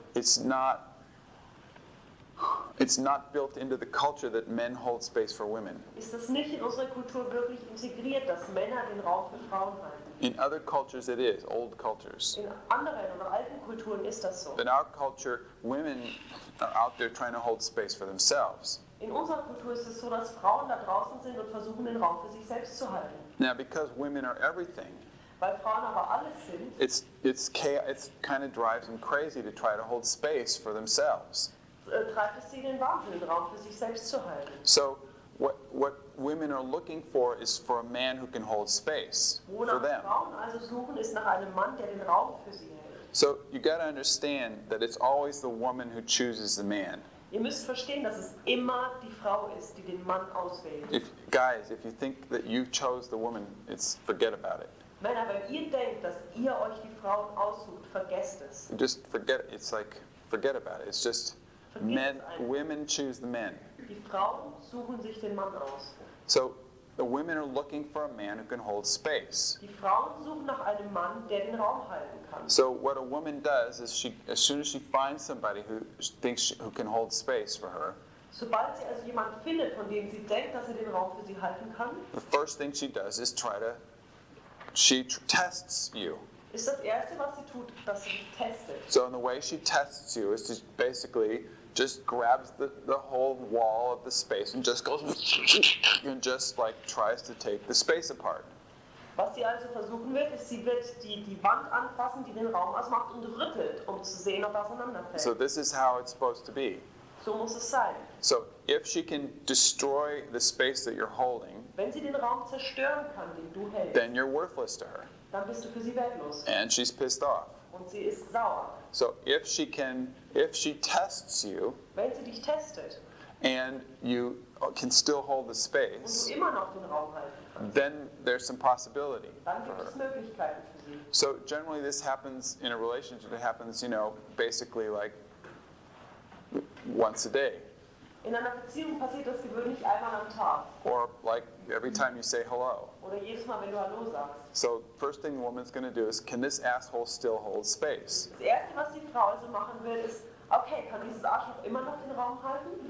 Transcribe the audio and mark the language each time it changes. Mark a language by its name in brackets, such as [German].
[English] it's not built into the culture that men hold space for women. [German] Ist das nicht in unserer Kultur wirklich integriert, dass Männer den Raum für Frauen halten? [English] In other cultures it is, old cultures. [German] In anderen oder alten Kulturen ist das so. [English] In our culture, women are out there trying to hold space for themselves. [German] In unserer Kultur ist es so, dass Frauen da draußen sind und versuchen, den Raum für sich selbst zu halten. [English] Now, because women are everything, [German] weil Frauen aber alles sind, [English] it's kind of drives them crazy to try to hold space for themselves. [German] Treibt es sie in den Wahnsinn, den Raum für sich selbst zu halten. [English] So, what women are looking for is for a man who can hold space for them. [German] Wonach Frauen also suchen, ist nach einem Mann, der den Raum für sie hält. [English] So, you got to understand that it's always the woman who chooses the man. [German] Ihr müsst verstehen, dass es immer die Frau ist, die den Mann auswählt. [English] If you think that you chose the woman, it's forget about it. [German] Männer, wenn ihr denkt, dass ihr euch die Frauen aussucht, vergesst es. [English] Just forget it. It's like Forget about it. It's just men, women choose the men. [German] Die Frauen suchen sich den Mann aus. [English] So the women are looking for a man who can hold space. [German] Die Frauen suchen nach einem Mann, der den Raum halten kann. [English] So what a woman does is she, as soon as she finds somebody who thinks she, who can hold space for her, [German] sobald sie also jemanden findet, von dem sie denkt, dass er den Raum für sie halten kann, [English] the first thing she does is try to, she tests you. [German] Ist das erste, was sie tut, dass sie testet. [English] So in the way she tests you is she basically just grabs the whole wall of the space and just goes and just like tries to take the space apart. [German] Was sie also versuchen wird, ist sie wird die Wand anfassen, die den Raum ausmacht und rüttelt, um zu sehen, ob er auseinanderfällt. [English] So this is how it's supposed to be. [German] So muss es sein. [English] So if she can destroy the space that you're holding, [German] wenn sie den Raum zerstören kann, den du hältst, [English] then you're worthless to her. [German] Dann bist du für sie wertlos. [English] And she's pissed off. [German] Und sie ist sauer. [English] So if she can, if she tests you, [German] wenn sie dich testet, [English] and you can still hold the space, [German] und du immer noch den Raum halten, [English] then there's some possibility. [German] Dann gibt es Möglichkeiten für sie. [English] So generally this happens in a relationship. It happens, you know, basically like once a day. [German] In einer Beziehung passiert das gewöhnlich einmal am Tag. [English] Or like every time you say hello. [German] Oder jedes Mal, wenn du hallo sagst. [English] So first thing the woman's going to do is, can this asshole still hold space? [German] Das erste, was die Frau also machen will, ist, okay, kann dieses Arschloch immer noch den Raum halten?